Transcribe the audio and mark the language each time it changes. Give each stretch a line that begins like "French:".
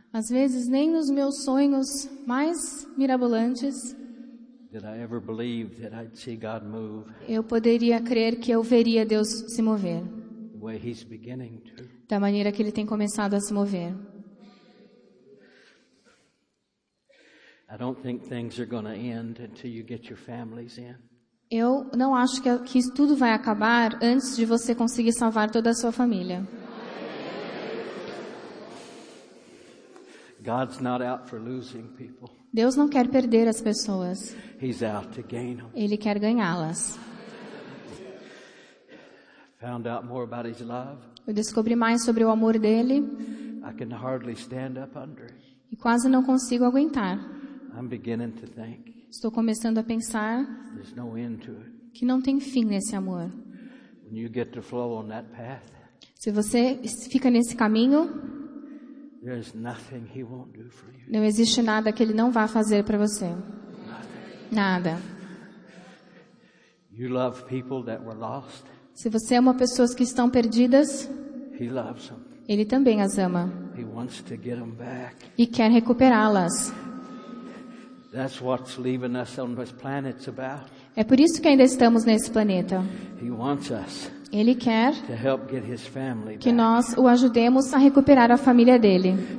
Portuguese: Às vezes nem nos meus sonhos mais mirabolantes.
English: Did I ever believe that I'd see God move?
Portuguese: Eu poderia crer que eu veria Deus se mover.
English: The way he's beginning to.
Portuguese: Da maneira que ele tem começado a se mover.
English: I don't think things are going to end until you get your families in.
Portuguese: Eu não acho que tudo vai acabar antes de você conseguir salvar toda a sua família.
English: God's not out for losing people.
Portuguese: Deus não quer perder as pessoas.
English: He's out to gain them.
Portuguese: Ele quer ganhá-las.
English: Found out more about his love.
Portuguese: Eu descobri mais sobre o amor dele.
English: I can hardly stand up under it.
Portuguese: E quase não consigo aguentar.
English: I'm beginning to think.
Portuguese: Estou começando a pensar.
English: There's no end to it.
Portuguese: Que não tem fim nesse amor.
English: When you get to flow on that path.
Portuguese: Se você fica nesse caminho,
English: there's nothing he won't do for you.
Portuguese: Não existe nada que ele não vá fazer para você. Nada.
English: You love people that were lost.
Portuguese: Se você ama pessoas que estão perdidas,
English: he loves them.
Portuguese: Ele também as ama.
English: He wants to get them back.
Portuguese: E quer recuperá-las.
English: That's what's leaving us on this planet's about.
Portuguese: É por isso que ainda estamos nesse planeta.
English: He wants us.
Portuguese: Ele quer
English: to help get his family
Portuguese: que
English: back.
Portuguese: Nós o ajudemos a recuperar a família dele.